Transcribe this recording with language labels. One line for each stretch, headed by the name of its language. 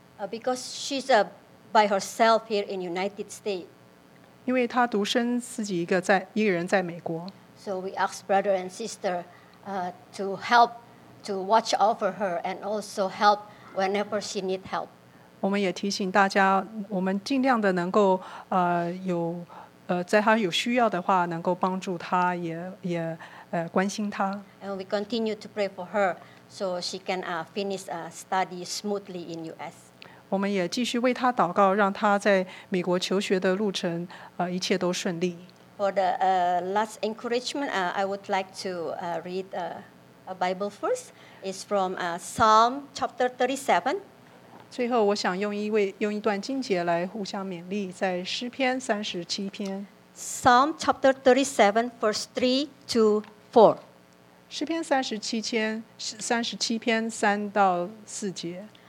English: Because she's by herself here in United States.
Chinese: 因为她独身自己一个人在美国。
English: So we ask brother and sister to help. To watch over her and also help whenever she needs help.
Chinese: 我们也提醒大家，我们尽量的能够有在她有需要的话，能够帮助她，也关心她。
English: And we continue to pray for her so she can finish study smoothly in U.S.
Chinese: 我们也继续为她祷告，让她在美国求学的路程一切都顺利。
English: For the last encouragement, I would like to read. A Bible verse is from Psalm chapter 37.
Chinese: 最后，我想用一段经节来互相勉励，在诗篇三十七篇。
English: Psalm chapter 37, verse 3-4.
Chinese: 诗篇三十七篇三到四节。